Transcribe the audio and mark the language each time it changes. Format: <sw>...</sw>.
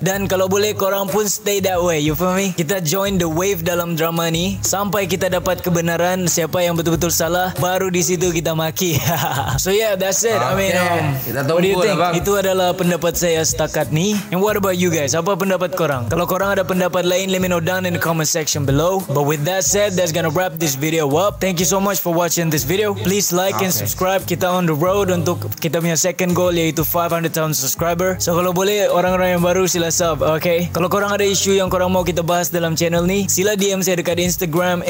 <ms>Dan kalau boleh korang pun</ms> <en>stay that way, you feel me?</en> <ms>Kita</ms> <en>join the wave</en> <ms>dalam drama ni sampai kita dapat kebenaran siapa yang betul-betul salah, baru di situ kita maki.</ms> <en>So yeah, that's it. Okay. I mean,</en> <ms>kita tunggu,</ms> <en>what do you think? Bang.</en> <ms>Itu adalah pendapat saya setakat ni.</ms> <en>And what about you guys?</en> <ms>Apa pendapat korang? Kalau korang ada pendapat lain,</ms> <en>let me know down in the comment section below. But with that said, that's gonna wrap this video up. Thank you so much for watching this video. Please like and subscribe. Kita on the road</en> <ms>untuk kita punya</ms> <en>second goal, yaitu 500,000 subscriber.</en> <ms>So kalau boleh, orang-orang yang baru sila sub, okay? Kalau korang ada isu yang korang mau kita bahas dalam channel ni, sila DM saya dekat Instagram.</ms>